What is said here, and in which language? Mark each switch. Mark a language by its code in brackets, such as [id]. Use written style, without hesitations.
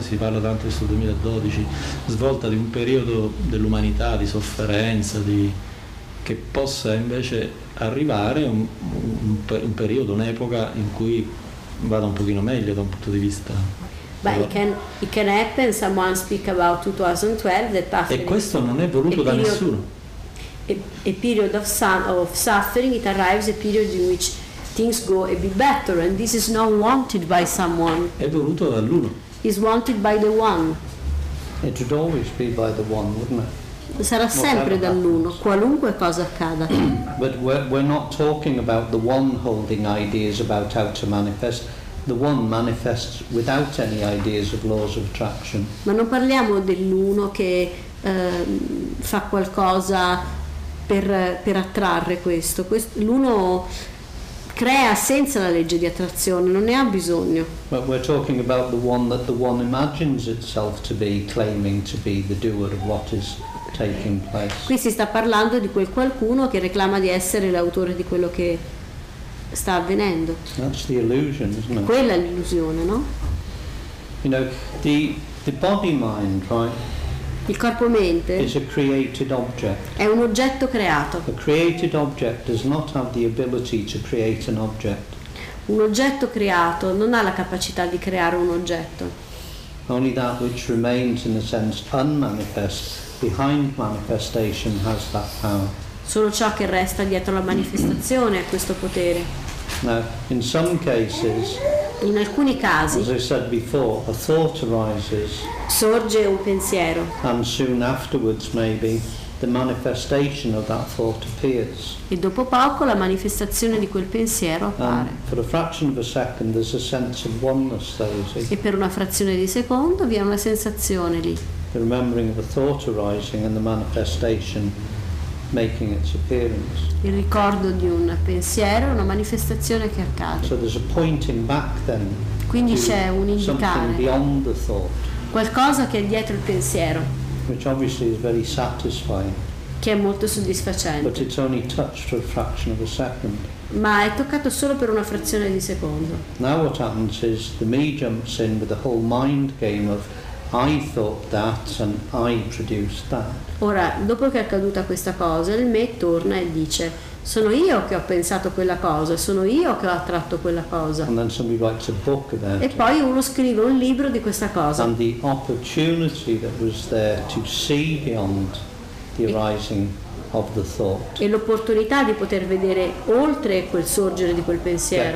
[it] Si parla tanto di questo 2012, svolta di un periodo dell'umanità di sofferenza, di che possa invece arrivare un periodo, un'epoca in cui vada un pochino meglio da un punto di vista. [en] But it can happen, someone speak about 2012 that after [it] e questo non è voluto da [en] period, [it] nessuno. [en] A period of suffering, it arrives a period in which things go a bit better and this is not wanted by someone. [it] È voluto dall'uno. [en] Is wanted by the one. It should always be by the one, wouldn't it? [it] Sarà sempre dall'uno, qualunque cosa accada. [en] But we're not talking about the one holding ideas about how to manifest. The one manifests without any ideas of laws of attraction. [it] Ma non parliamo dell'uno che fa qualcosa per attrarre questo. L'uno crea senza la legge di attrazione, non ne ha bisogno. [en] But we're talking about the one that the one imagines itself to be, claiming to be the doer of what is taking place. [it] Qui si sta parlando di quel qualcuno che reclama di essere l'autore di quello che sta avvenendo. [en] That's the illusion, isn't it? [it] Quella è l'illusione, no? [en] You know, the body mind, right? [it] Il corpo mente [en] is a created object. [it] È un oggetto creato. [en] A created object does not have the ability to create an object. [it] Un oggetto creato non ha la capacità di creare un oggetto. [en] Only that which remains in a sense unmanifest behind manifestation has that power. [it] Solo ciò che resta dietro la manifestazione ha questo potere. [en] Now, in some cases, [it] in alcuni casi, [en] as I said before, a thought arises, [it] sorge un pensiero, [en] and soon afterwards, maybe, the manifestation of that thought appears. [it] E dopo poco la manifestazione di quel pensiero appare. [en] And for a fraction of a second, there's a sense of oneness there. [it] E per una frazione di secondo vi è una sensazione lì. [en] The remembering of a thought arising and the manifestation making its appearance. [it] Il ricordo di un pensiero, una manifestazione che accade. [en] So there's a pointing back then. [it] Quindi c'è un indicare. [en] Something beyond the thought. [it] Qualcosa che è dietro il pensiero. [en] Which obviously is very satisfying. [it] Che è molto soddisfacente. [en] But it's only touched for a fraction of a second. [it] Ma è toccato solo per una frazione di secondo. [en] Now what happens is the me jumps in with the whole mind game of I thought that and I produced that. [it] Ora, dopo che è accaduta questa cosa, il me torna e dice: sono io che ho pensato quella cosa, sono io che ho attratto quella cosa. [en] And then somebody writes a book about [it] e poi uno scrive un libro di questa cosa. [en] And the opportunity that was there to see beyond the arising of the thought. [it] E l'opportunità di poter vedere oltre quel sorgere di quel pensiero.